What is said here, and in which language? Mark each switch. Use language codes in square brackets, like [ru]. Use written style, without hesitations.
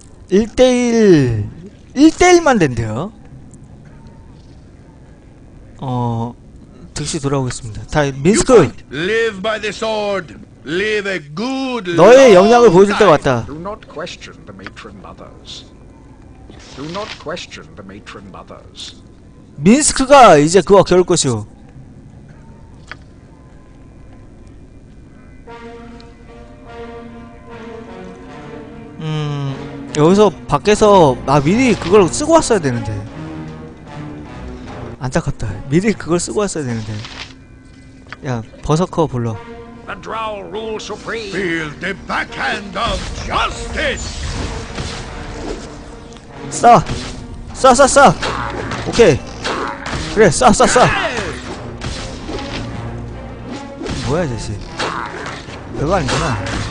[ko] 1대1만 된대요. 즉시 돌아오겠습니다. 다 민스크. [en] Live by the sword. Live a good life. [ko] 너의 영향을 보여줄 때가 왔다. [en] Do not question the matron mothers. Do not question the matron mothers. [ko] 민스크가 이제 그와 결혼할 것이오. 여기서 밖에서 아 미리 그걸 쓰고 왔어야 되는데. 안타깝다. 미리 그걸 쓰고 왔어야 되는데. 야, 버서커 불러. [en] The Drow rule supreme. Feel the backhand of justice. [ko] 싸. 싸. 오케이. 그래, 싸. 뭐야, 쟤씨. 별거 아니구나.